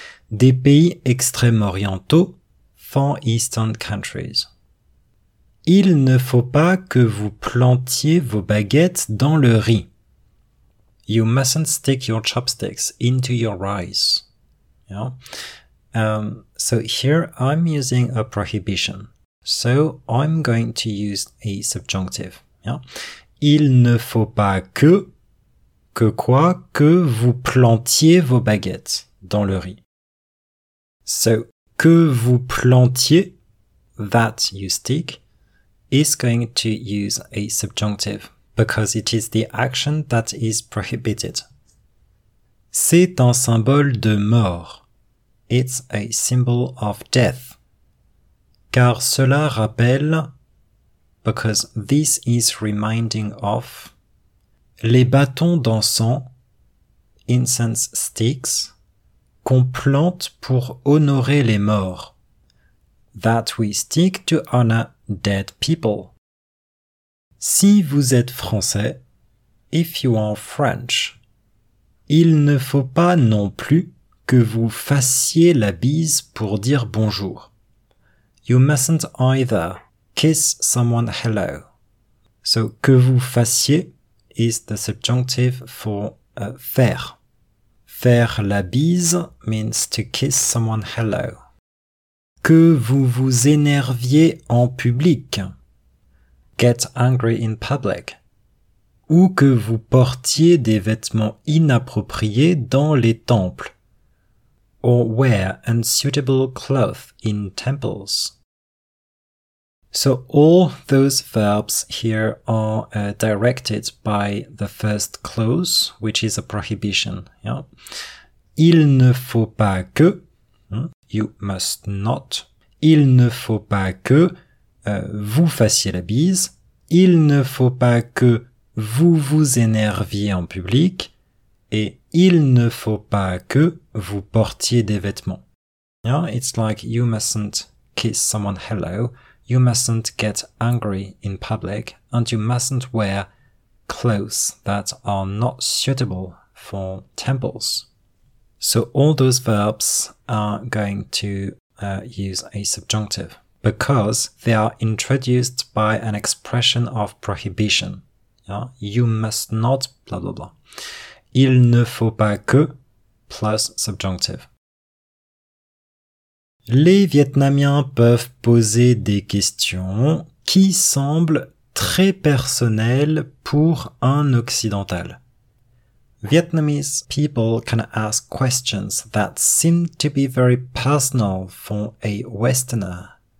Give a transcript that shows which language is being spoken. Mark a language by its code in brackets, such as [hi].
[fr] Des pays extrême orientaux. [en] Far eastern countries. [fr] Il ne faut pas que vous plantiez vos baguettes dans le riz. [en] You mustn't stick your chopsticks into your rice. Yeah. So here I'm using a prohibition. So I'm going to use a subjunctive. Yeah. [fr] Il ne faut pas que quoi, que vous plantiez vos baguettes dans le riz. [en] So, [fr] que vous plantiez, [en] that you stick, is going to use a subjunctive, because it is the action that is prohibited. [fr] C'est un symbole de mort. [en] It's a symbol of death. [fr] Car cela rappelle, [en] because this is reminding of, [fr] les bâtons d'encens, [en] incense sticks, [fr] qu'on plante pour honorer les morts. [en] That we stick to honor dead people. [fr] Si vous êtes français, [en] if you are French, [fr] il ne faut pas non plus que vous fassiez la bise pour dire bonjour. [en] You mustn't either kiss someone hello. So, [fr] que vous fassiez [en] is the subjunctive for faire. [fr] Faire la bise [en] means to kiss someone hello. [fr] Que vous vous énerviez en public. [en] Get angry in public. [fr] Ou que vous portiez des vêtements inappropriés dans les temples. [en] Or wear unsuitable clothes in temples. So all those verbs here are directed by the first clause, which is a prohibition. [fr] Yeah. Il ne faut pas que. [en] You must not. [fr] Il ne faut pas que vous fassiez la bise. Il ne faut pas que vous vous énerviez en public. Et il ne faut pas que vous portiez des vêtements. [en] Yeah, it's like you mustn't kiss someone hello. You mustn't get angry in public. And you mustn't wear clothes that are not suitable for temples. So all those verbs are going to use a subjunctive because they are introduced by an expression of prohibition. Yeah? You must not, blah, blah, blah. [fr] Il ne faut pas que, [en] plus subjunctive. [fr] Les Vietnamiens peuvent poser des questions qui semblent très personnelles pour un occidental. [en] Vietnamese people can ask questions that seem to be very personal for a Westerner.